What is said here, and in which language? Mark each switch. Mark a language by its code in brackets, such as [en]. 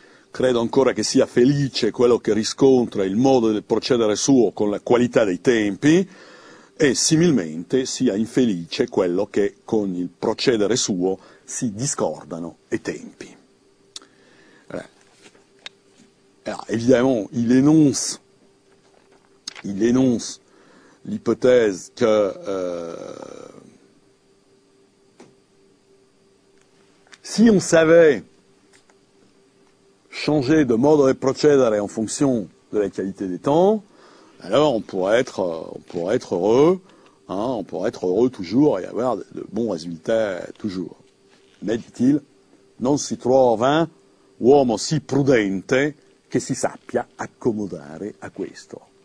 [it] Credo ancora che sia felice quello che riscontra il modo di procedere suo con la qualità dei tempi, e similmente sia infelice quello che con il procedere suo si discordano i tempi. [fr] Voilà. Alors, évidemment, il énonce l'hypothèse que si on savait changer de mode de procédure en fonction de la qualité des temps, alors on pourrait être heureux, hein, on pourrait être heureux toujours et avoir de bons résultats toujours. Mais dit-il, [it] non si trova uomo si prudente che si sappia accomodare a questo.